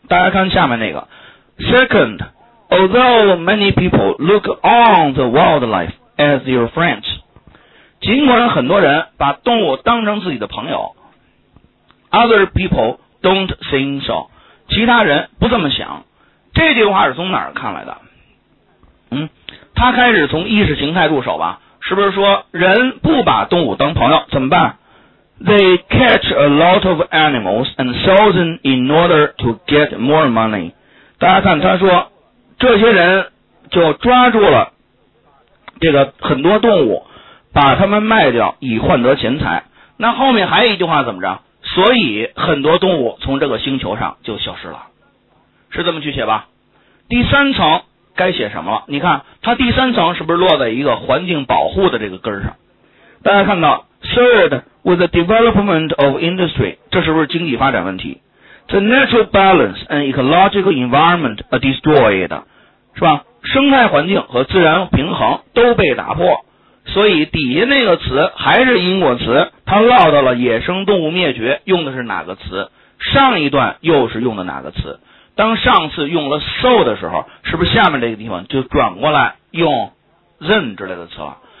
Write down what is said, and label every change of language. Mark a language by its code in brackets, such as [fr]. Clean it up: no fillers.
[zh] 大家看下面那个 [en] Second, although many people look on the wildlife as your friends, [zh] 尽管很多人把动物当成自己的朋友， [en] Other people don't think so, [zh] 其他人不这么想。这句话是从哪儿看来的？他开始从意识形态入手吧，是不是说人不把动物当朋友怎么办？ [en] They catch a lot of animals and sell them in order to get more money. [zh] 大家看，他说这些人就抓住了这个很多动物，把他们卖掉以换得钱财。那后面还有一句话怎么着？所以很多动物从这个星球上就消失了，是这么去写吧。第三层该写什么了？你看它第三层是不是落在一个环境保护的这个根上？大家看到 [en] Third, with the development of industry, [zh] 这是不是经济发展问题？ [en] The natural balance and ecological environment are destroyed, [zh] 是吧？生态环境和自然平衡都被打破，所以底下那个词还是因果词，它落到了野生动物灭绝，用的是哪个词？上一段又是用的哪个词？当上次用了 so 的时候，是不是下面这个地方就转过来用 then 之类的词了？